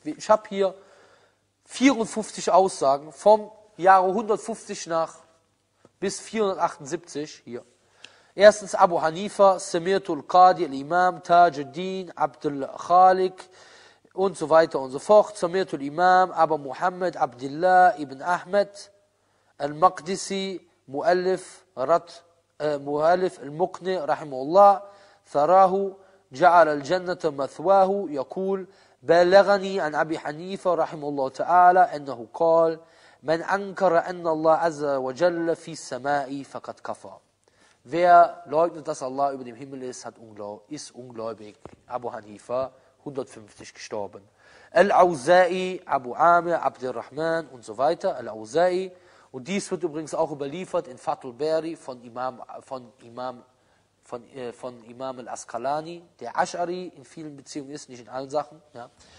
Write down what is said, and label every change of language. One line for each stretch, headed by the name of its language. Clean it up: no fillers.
German: Ich habe hier 54 Aussagen vom Jahre 150 nach bis 478 hier. Erstens Abu Hanifa, Samirtul Qadi, Al-Imam, Tajuddin, Abdul Khalik und so weiter und so fort.
Arabic: Samirtul Imam, Abu Muhammad, Abdullah, Ibn Ahmed, Al-Maqdisi, Muallif, Al-Muqni, Rahimullah, Tharahu, Ja'al al-Jannata Mathwahu, Yakul, بلغني عن أبي حنيفة رحمه الله تعالى أنه قال من أنكر أن الله عز وجل في السماء فقد كفر.
German: Wer leugnet, dass Allah über dem Himmel ist, ist ungläubig. Abu Hanifa, 150 gestorben. Al-Auza'i, Abu Amir, Abd al-Rahman und so weiter. Al-Auza'i. Und dies wird übrigens auch überliefert in Fath al-Bari von Imam al-Asqalani, der Ash'ari in vielen Beziehungen ist, nicht in allen Sachen. Ja.